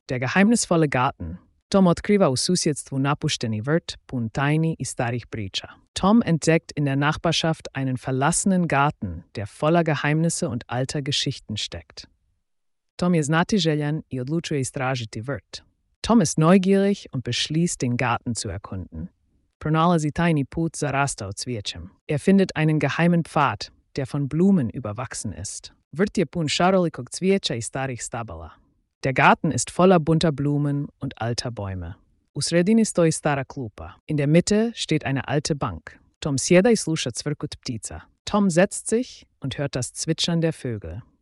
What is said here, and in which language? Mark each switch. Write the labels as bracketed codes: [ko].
[de] Der geheimnisvolle Garten. [hr] Tom otkriva u susjedstvu napušteni vrt, pun tajni i starih priča. [de] Tom entdeckt in der Nachbarschaft einen verlassenen Garten, der voller Geheimnisse und alter Geschichten steckt. [hr] Tom je znatiželjan i odlučuje istražiti vrt. [de] Tom ist neugierig und beschließt, den Garten zu erkunden. [hr] Pronalazi tajni put za rastao cvijećem. [de] Er findet einen geheimen Pfad, der von Blumen überwachsen ist. [hr] Vrt je pun šarolikog cvijeća i starih stabala. [de] Der Garten ist voller bunter Blumen und alter Bäume. [hr] U sredini stoji stara klupa. [de] In der Mitte steht eine alte Bank. [hr] Tom sjeda i sluša cvrkut ptica. [de] Tom setzt sich und hört das Zwitschern der Vögel.